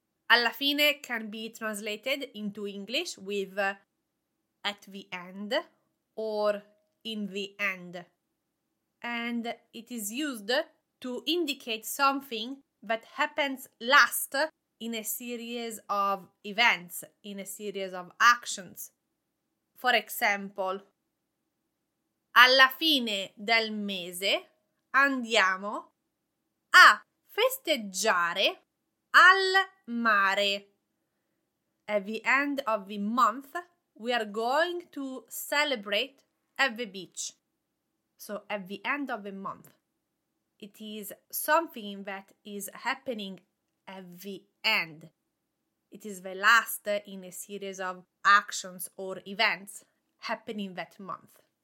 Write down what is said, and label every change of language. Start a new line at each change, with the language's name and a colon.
English: Alla fine can be translated into English with at the end or in the end. And it is used to indicate something that happens last in a series of events, in a series of actions. For example,
Italian: alla fine del mese andiamo a festeggiare al mare.
English: At the end of the month, we are going to celebrate at the beach. So, at the end of the month. It is something that is happening at the end. It is the last in a series of actions or events happening that month.